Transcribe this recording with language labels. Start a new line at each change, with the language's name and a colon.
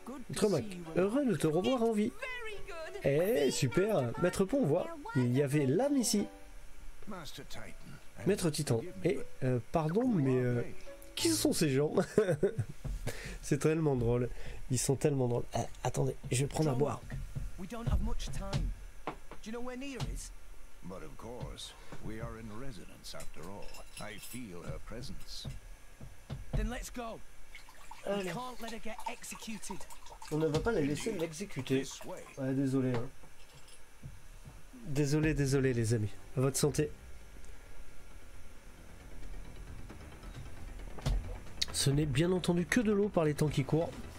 French: Dromak, heureux de te revoir en vie. Eh, super, Maître Pont, voit, il y avait l'âme ici. Maître Titan, pardon, mais qui sont ces gens? C'est tellement drôle. Ils sont tellement drôles. Attendez, je vais prendre à boire.
English: We don't have much time. Do you know where Nia is? But of course, we are in residence after all. I feel her presence. Then let's go. We can't let her get executed.
French: On ne va pas la laisser l'exécuter. Ouais, désolé. Hein. Désolé, désolé, les amis. À votre santé. Ce n'est bien entendu que de l'eau par les temps qui courent.